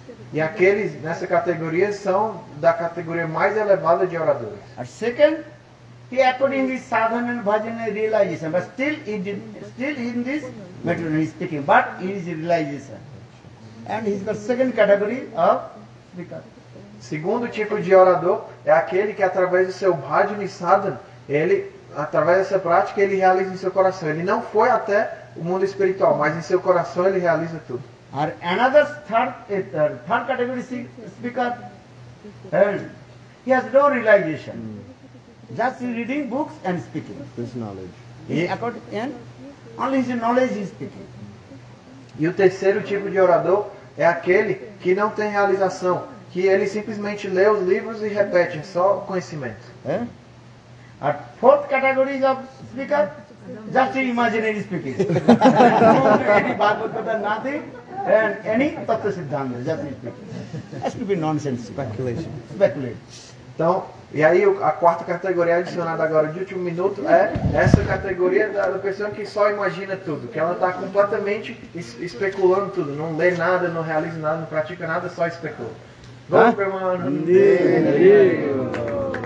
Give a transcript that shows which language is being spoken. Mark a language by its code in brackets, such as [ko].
[pt] E aqueles nessa categoria são da categoria mais elevada de oradores. [en] He acted in this sadhana and bhajana realization, but still in this material he's speaking, but in his realization. And he's got second category of Srikara. [pt] Segundo tipo de orador é aquele que através do seu bhajana e sadhana, ele, através dessa prática, ele realiza em seu coração. Ele não foi até o mundo espiritual, mas em seu coração ele realiza tudo. [en] Or another third category speaker, he has no realization. Just reading books and speaking. This knowledge. Only his knowledge is speaking. [pt] E o terceiro tipo de orador é aquele que não tem realização, que ele simplesmente lê os livros e repete, só conhecimento. [en] A fourth category of speaker, just imaginary speaking. Any Bhagavad Gita, nothing, and any Tattva Siddhanta, just speaking. That should be nonsense. Speculation. Speculation. [pt] Então, e aí a quarta categoria adicionada agora de último minuto é essa categoria da pessoa que só imagina tudo, que ela está completamente especulando tudo, não lê nada, não realiza nada, não pratica nada, só especula. Vamos, irmão?